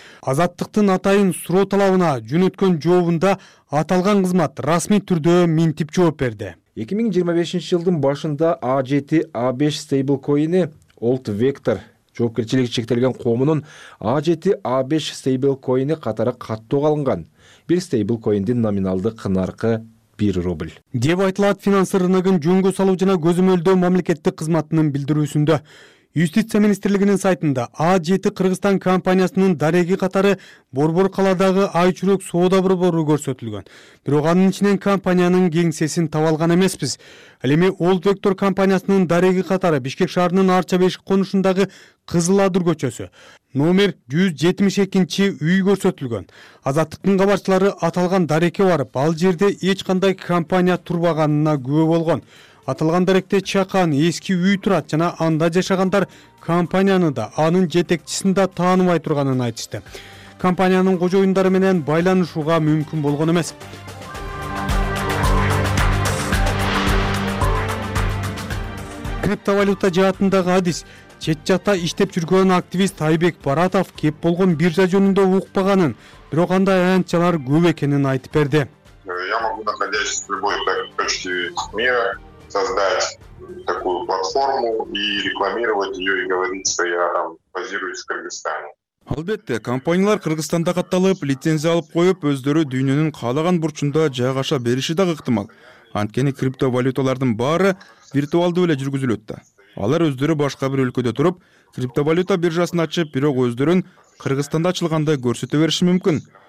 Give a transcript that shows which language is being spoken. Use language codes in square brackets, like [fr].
[ky] Азаттыктын атайын суроо талабына жөнөткөн жообунда аталган кызмат расмий түрдө минтип жооп берди. 2025 жылдын башында A7A5 стейблкоини World Vector жоопкерчилиги чектелген коомунун A7A5 стейблкоини катары каттоого алынган. Бир стейблкоиндин номиналдык наркы 1 рубль. Деп айтылат финанс рыногун жөнгө салуу жана көзөмөлдөө мамлекеттик кызматынын билдирүүсүндө. Юстиция министрлигинин сайтында А7 Кыргызстан компаниясынын дареги катары Борбор калаадагы айчурок соода борбору көрсөтүлгөн. Бирок анын ичинен компаниянын кеңсесин табалган эмеспиз. Ал эми Old Vector компаниясынын дареги катары Бишкек шаарынын Арча Бешик конушундагы Кызыл Адыр көчөсү номер 172 үй көрсөтүлгөн. Азаттыктын кабарчылары аталган дареге барып, ал жерде эч кандай компания турбаганына күбө болгон. Аталган даректе чакан эски үй турат жана анда жашагандар компанияны да анын жетекчисин да таанымай турганын айтышты. Компаниянын кожоюндары менен байланышууга мүмкүн болгон эмес. Криптовалюта жаатындагы адис чет жакта иштеп жүргөн активист Айбек Баратов кеп болгон биржа жөнүндө укпаганын, бирок анда аянтчалар көп экенин айтып берди. [ru] Я могу находясь в любой точке мира создать такую платформу и рекламировать ее и говорить, что я там базируюсь в Кыргызстане. [ky] Албетте, компаниялар Кыргызстанда катталып, лицензия алып коюп, өздөрү дүйнөнүн каалаган бурчунда жайгаша бериши да ыктымал. Анткени криптовалюталардын баары виртуалдуу эле жүргүзүлөт да. Алар өздөрү башка бир өлкөдө туруп, криптовалюта биржасын ачып, бирок өздөрүн Кыргызстанда ачылганда көрсөтө бериши мүмкүн.